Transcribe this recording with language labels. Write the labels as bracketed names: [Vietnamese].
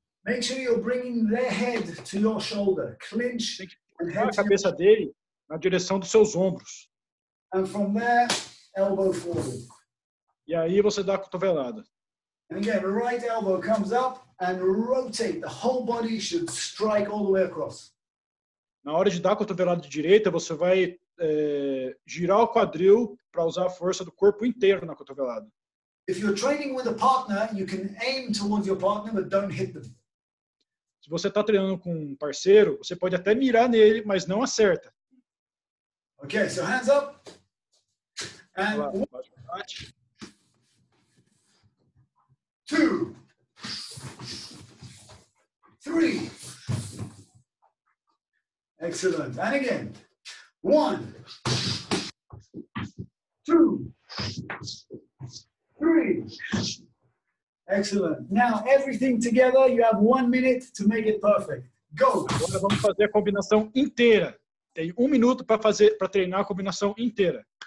[English] Make sure you're bringing their head to your shoulder. Clinch. [Portuguese] Tem que pôr a cabeça dele na direção dos seus ombros. [English] And from there, elbow forward. [Portuguese] E aí você dá a cotovelada. [English] And again, right elbow comes up and rotate. The whole body should strike all the way across. [Portuguese] Na hora de dar a cotovelada de direita, você vai girar o quadril para usar a força do corpo inteiro na cotovelada. [English] If you're training with a partner, you can aim towards your partner, but don't hit them. [Portuguese] Se você está treinando com um parceiro, você pode até mirar nele, mas não acerta. [English] Okay, so hands up. And two, Excellent. And again. One, two, three. Excellent. Now, everything together, you have 1 minute to make it perfect. Go. [Portuguese] Agora vamos fazer a combinação inteira. Tem 1 minuto para fazer, para treinar a combinação inteira.